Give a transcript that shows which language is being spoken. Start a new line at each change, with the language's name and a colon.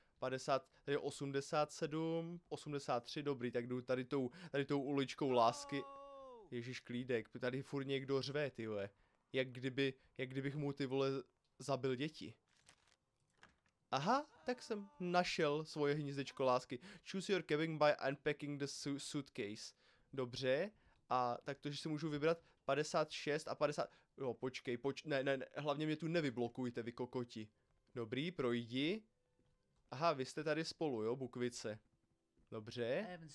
Czech: 50, 87, 83, dobrý, tak jdu tady tou uličkou lásky. Ježíš klídek, tady furt někdo řve, ty vole. Jak kdybych mu ty vole zabil děti. Aha, tak jsem našel svoje hnízdečko lásky.
English: Choose your cabin by unpacking the suitcase.
Czech: Dobře, a tak to, že si můžu vybrat 56 a 50... Jo, počkej, ne, hlavně mě tu nevyblokujte, vy kokoti. Dobrý, projdi. Aha, vy jste tady spolu, jo, Bukvice. Dobře.